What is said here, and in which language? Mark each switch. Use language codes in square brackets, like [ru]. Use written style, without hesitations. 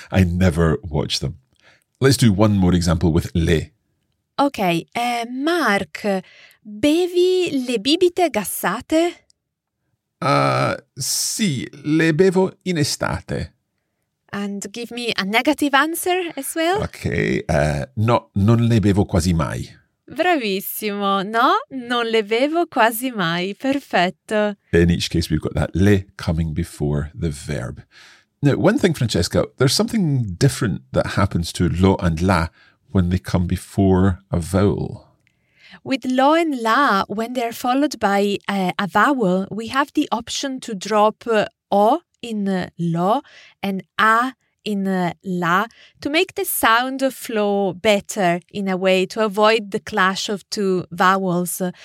[en] I never watch them. Let's do one more example with le. [it] Okay, Mark, bevi le bibite gassate? Sì, le bevo in estate. [en] And give me a negative answer as well. [it] Okay, no, non le bevo quasi mai. Bravissimo, no, non le bevo quasi mai, perfetto. [en] In each case we've got that le coming before the verb. Now, one thing, Francesca, there's something different that happens to lo and la when they come before a vowel. With lo and la, when they're followed by a vowel, we have the option to drop o in lo and a in la to make the sound flow better in a way, to avoid the clash of two vowels.